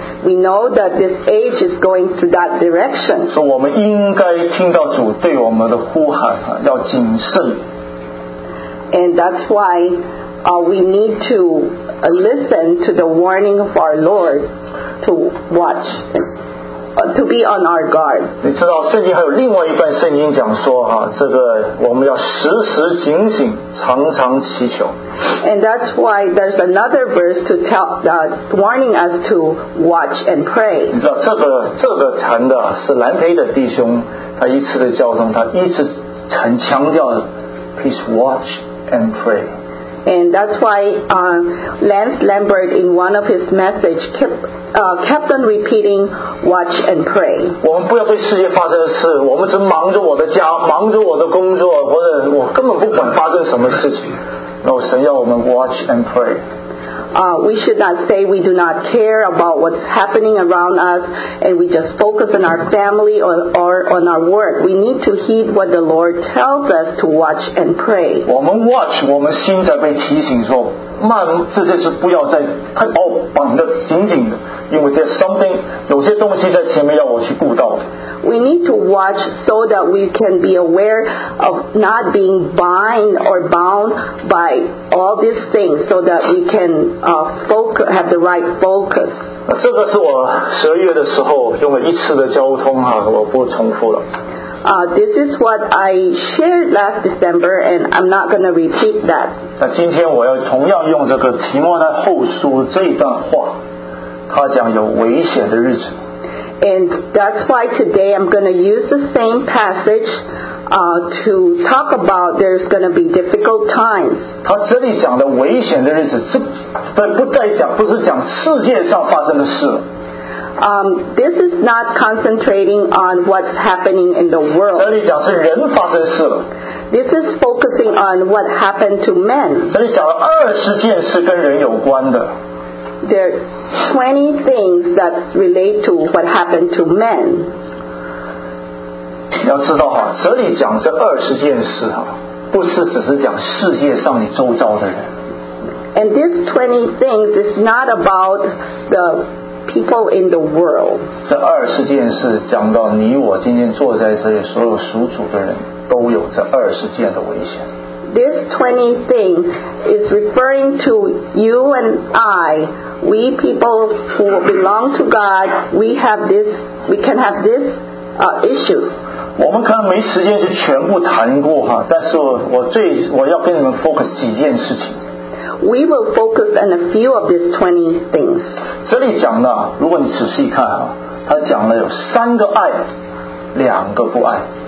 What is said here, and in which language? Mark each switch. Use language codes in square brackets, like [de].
[en] We know that this age is going through that direction. So we need to hear God's call to be careful. And that's why we need to listen to the warning of our Lord to watch. To be on our guard. [zh] 你知道圣经还有另外一段圣经讲说哈，这个我们要时时警醒，常常祈求。 [en] And that's why there's another verse to tell warning us to watch and pray. [zh] 你知道这个谈的是兰培的弟兄，他一次的教宗，他一直很强调 ， [en] please watch and pray。 And that's why Lance Lambert in one of his messages kept on repeating watch and pray. [zh] 我们不要对世界发生的事，我们只忙着我的家，忙着我的工作，或者我根本不管发生什么事情。那神要我们 [en] watch and pray. We should not say we do not care about what's happening around us and we just focus on our family or on our work. We need to heed what the Lord tells us to watch and pray. [zh] 我们 watch, 我们心在被提醒说慢，这些事不要再太把我绑得紧紧的，因为 [en] there's something, [zh] 有些东西在前面要我去顾到的。 [en] We need to watch so that we can be aware of not being bind or bound by all these things so that we can focus, have the right focus. [zh] 这个是我十二月的时候用了一次的交通哈，我不重复了。 [en] This is what I shared last December, and I'm not going to repeat that. [zh] 那今天我要同样用这个提摩太后书这段话，他讲有危险的日子。 [en] And that's why today I'm going to use the same passage to talk about there's going to be difficult times. [zh] 他这里讲的危险的日子，这不再讲，不是讲世界上发生的事。 [en] This is not concentrating on what's happening in the world. [zh] 这里讲是人发生事了。 [en] This is focusing on what happened to men. [zh] 这里讲了二十件事跟人有关的。 [en] There are 20 things that relate to what happened to men. [zh] 要知道哈，这里讲这二十件事哈，不是只是讲世界上你周遭的人。 [en] And these 20 things is not about the people in the world. [zh] 这二十件事讲到你我今天坐在这里，所有属主的人都有这二十件的危险。 [en] This 20 thing is referring to you and I. We people who belong to God, we have this, we can have this issues. [zh] 我们可能没时间去全部谈过哈，但是我要跟你们 focus 几件事情。 [en] We will focus on a few of these 20 things. [zh] 这里讲的，如果你仔细看啊，他讲了有三个爱，两个不爱。